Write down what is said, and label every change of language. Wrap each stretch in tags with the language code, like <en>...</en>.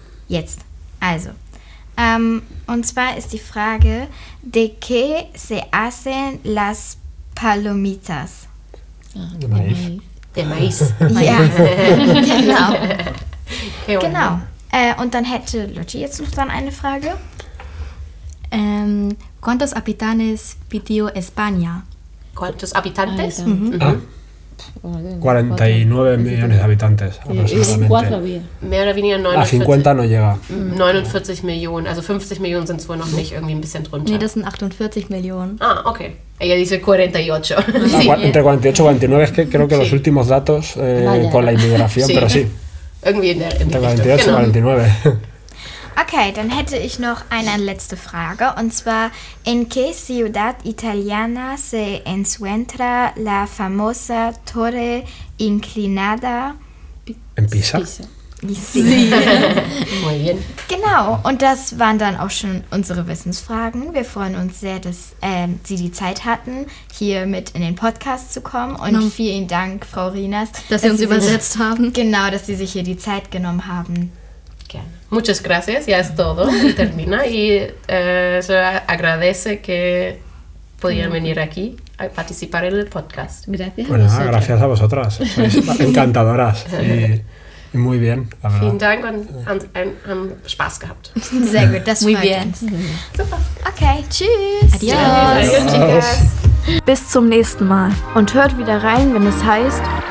<de>Jetzt. Also. Und zwar ist die Frage,</de> <es>¿de qué se hacen las palomitas? De Mais.</es> <de>Ja, genau. Genau. Und dann hätte Lucci jetzt noch dann eine Frage.</de> <es>¿Cuántos habitantes pidió España? ¿Cuántos habitantes? Mhm. Ah. 49 millones de habitantes aproximadamente. A 50 no llega. 49 millones,</es> <de>also 50 millones sind es wohl noch nicht, irgendwie ein bisschen drunter. Nee, das sind 48 millones.</de> <es>Ah, okay. Ella dice 48. Entre 48 y 49 es que creo que los últimos datos con la inmigración, pero sí.</es> <de>Irgendwie in der</de> <es>Entre 48 y 49.</es> <de>Okay, dann hätte ich noch eine letzte Frage, und zwar,</de> <es>¿en qué ciudad italiana se encuentra la famosa Torre Inclinada? ¿En Pisa? Sí. Muy bien.</es> <de>Genau, und das waren dann auch schon unsere Wissensfragen. Wir freuen uns sehr, dass Sie die Zeit hatten, hier mit in den Podcast zu kommen. Und vielen Dank, Frau Rinas, dass Sie uns übersetzt haben. Genau, dass Sie sich hier die Zeit genommen haben. Gerne.</de> <es>Muchas gracias, ya es todo, termina y se agradece que pudieran venir aquí a participar en el podcast. Gracias. Bueno, gracias a vosotras, sois encantadoras y muy bien.</es> <de>Vielen Dank und haben Spaß gehabt. Sehr gut, das</de> <es>muy bien.</es> <de>Super. Okay, tschüss.</de> <es>Adios. Adios. Bis zum nächsten Mal und hört wieder rein, wenn es heißt</es>